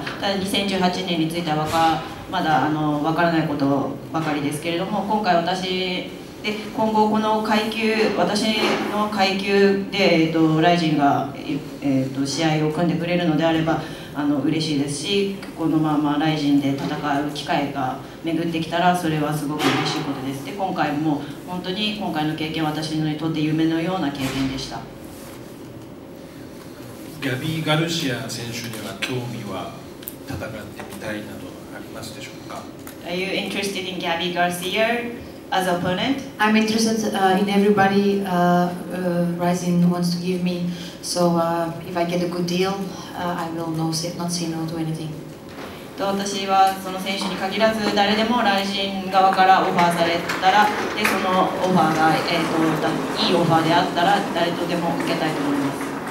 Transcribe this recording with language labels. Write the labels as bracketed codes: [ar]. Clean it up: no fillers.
[ja] ただ2018年については、まだ分からないことばかりですけれども、今回私、で今後この階級、私の階級で、ライジンが、試合を組んでくれるのであれば嬉しいですし、このままライジンで戦う機会が巡ってきたらそれはすごく嬉しいことです。で今回も本当に今回の経験は私にとって夢のような経験でした。ギャビー・ガルシア選手には興味は、戦ってみたいなどありますでしょうか。 [en] Are you interested in Gabby Garcia? As an opponent? I'm interested in everybody Rizin wants to give me. So if I get a good deal, I will not say no to anything. [ja] 私はその選手に限らず、誰でも Rizin 側からオファーされたら、でそのオファーが、いいオファーであったら、誰とでも受けたいと思います。